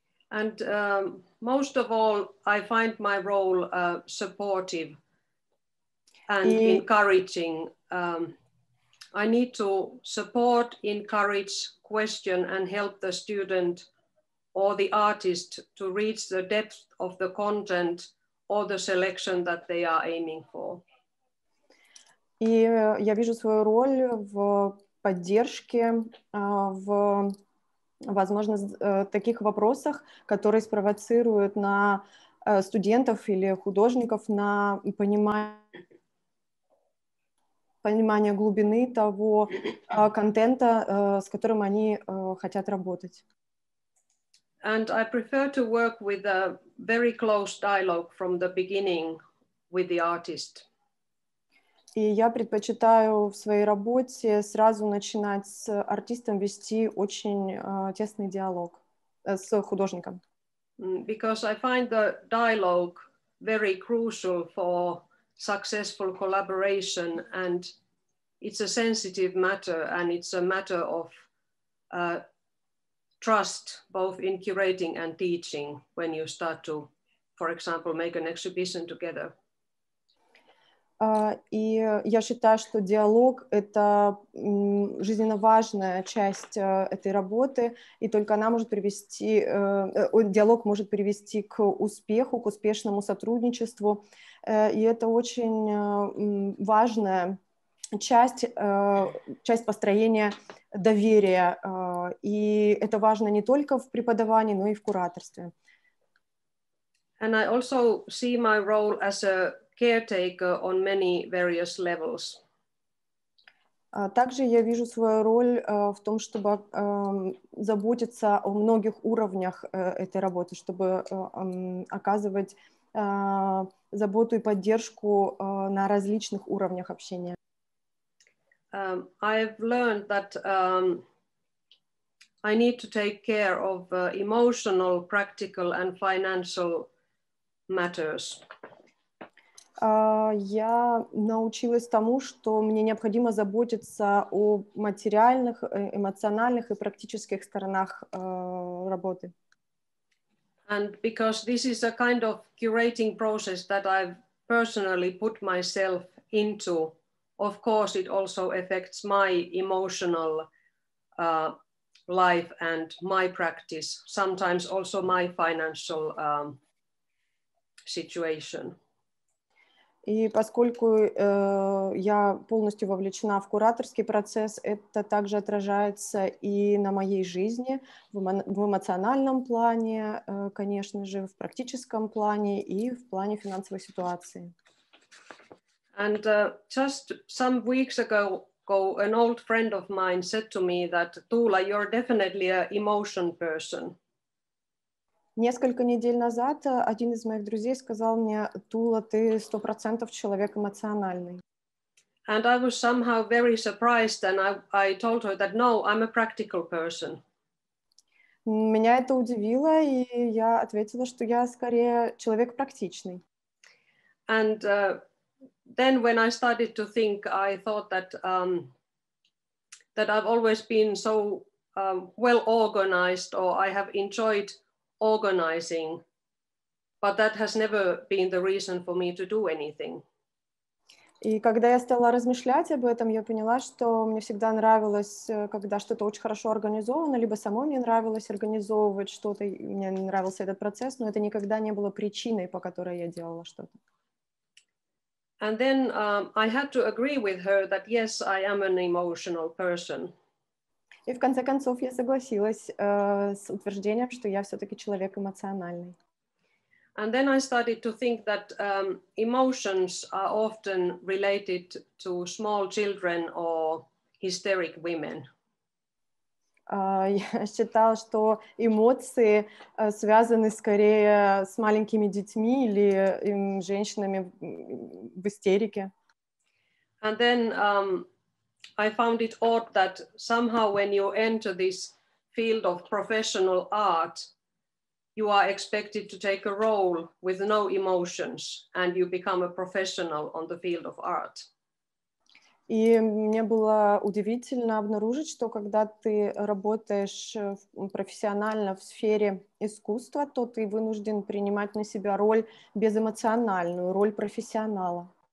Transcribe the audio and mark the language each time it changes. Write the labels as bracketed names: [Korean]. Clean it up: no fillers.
[English] And most of all, I find my role supportive and encouraging. I need to support, encourage, question, and help the student or the artist to reach the depth of the content or the selection that they are aiming for. [Russian] И я вижу свою роль в поддержке, в, возможно, таких вопросах, которые спровоцируют на студентов или художников на понимание. Понимание глубины того контента, с которым они хотят работать. [English] And I prefer to work with a very close dialogue from the beginning with the artist. [Russian] И я предпочитаю в своей работе сразу начинать с артистом вести очень тесный диалог с художником. [English] Because I find the dialogue very crucial for successful collaboration and it's a sensitive matter, and it's a matter of trust, both in curating and teaching, when you start to, for example, make an exhibition together. [Russian] И я считаю, что диалог — это жизненно важная часть этой работы, и только она может привести, диалог может привести к успеху, к успешному сотрудничеству, и это очень важная часть построения доверия, и это важно не только в преподавании, но и в кураторстве. [English] And I also see my role as a caretaker on many various levels. [Russian] Также я вижу свою роль в том, чтобы заботиться о многих уровнях этой работы, чтобы оказывать заботу и поддержку на различных уровнях общения. [English] I've learned that I need to take care of emotional, practical, and financial matters. [Russian] Я научилась тому, что мне необходимо заботиться о материальных, эмоциональных и практических сторонах работы. [English] And because this is a kind of curating process that I've personally put myself into, of course, it also affects my emotional life and my practice, sometimes also my financial situation. [Russian] И поскольку я полностью вовлечена в кураторский процесс, это также отражается и на моей жизни, в эмоциональном плане, конечно же, в практическом плане и в плане финансовой ситуации. [English] And just some weeks ago, an old friend of mine said to me that, Tuula, you're definitely an emotion person. [Russian] Несколько недель назад один из моих друзей сказал мне, Тула, ты 100% человек эмоциональный. [English] And I was somehow very surprised, and I told her that, no, I'm a practical person. [Russian] Меня это удивило, и я ответила, что я скорее человек практичный. [English] And then when I started to think, I thought that that I've always been so well organized, or I have enjoyed organizing, but that has never been the reason for me to do anything. [Russian] И когда я стала размышлять об этом, я поняла, что мне всегда нравилось, когда что-то очень хорошо организовано, либо самой мне нравилось организовывать что-то, мне нравился этот процесс, но это никогда не было причиной, по которой я делала что-то. [English] And then I had to agree with her that yes, I am an emotional person. [Russian] И в конце концов я согласилась с утверждением, что я все-таки человек эмоциональный. [English] And then I started to think that emotions are often related to small children or hysteric women. [Russian] Я считал, что эмоции связаны скорее с маленькими детьми или женщинами в истерике. [English] And then I found it odd that somehow when you enter this field of professional art, you are expected to take a role with no emotions and you become a professional on the field of art. [Russian] И мне было удивительно обнаружить, что когда ты работаешь профессионально в сфере искусства, то ты вынужден принимать на себя роль безэмоциональную, роль профессионала.